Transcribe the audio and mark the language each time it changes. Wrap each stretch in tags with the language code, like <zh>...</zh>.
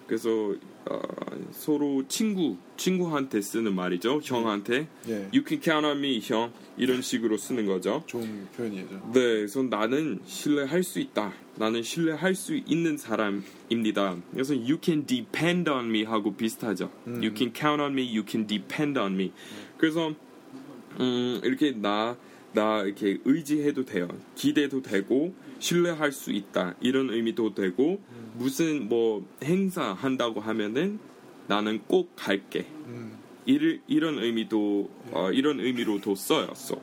<ko>그래서 서로 친구한테 쓰는 말이죠. 형한테</ko> <en>You can count on me,</en> <ko>형. 이런 식으로 쓰는 거죠. 좋은 표현이죠. 네, 그래서 나는 신뢰할 수 있다. 나는 신뢰할 수 있는 사람입니다. 그래서</ko> <en>You can depend on me</en> <ko>하고 비슷하죠.</ko> <en>You can count on me, you can depend on me.</en> <ko>그래서 이렇게 나 이렇게 의지해도 돼요. 기대도 되고 신뢰할 수 있다. 이런 의미도 되고 무슨 뭐 행사 한다고 하면은 나는 꼭 갈게. 이런 의미도 이런 의미로도 써요.</ko>